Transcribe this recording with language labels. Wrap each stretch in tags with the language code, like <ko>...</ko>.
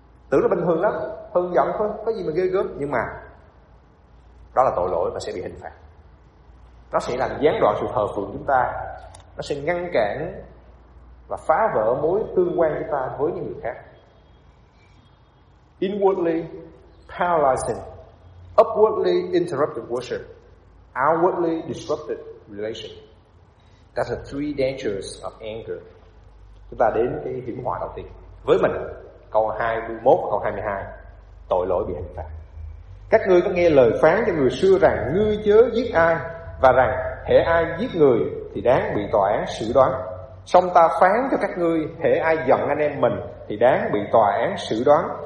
<vi>Tưởng là bình thường lắm, hờn giận thôi, có gì mà ghê gớm. Nhưng mà đó là tội lỗi và sẽ bị hình phạt. Nó sẽ làm gián đoạn sự thờ phượng chúng ta, nó sẽ ngăn cản và phá vỡ mối tương quan chúng ta với những người khác.</vi> <en>Inwardly paralyzing, upwardly interrupted worship, outwardly disrupted relation. That's the three dangers of anger.</en> <vi>Chúng ta đến cái hiểm họa đầu tiên. Với mình, câu 21 và câu 22, tội lỗi bị hình phạt. Các ngươi có nghe lời phán cho người xưa rằng ngươi chớ giết ai, và rằng hễ ai giết người thì đáng bị tòa án xử đoán. Song ta phán cho các ngươi, hễ ai giận anh em mình thì đáng bị tòa án xử đoán.</vi>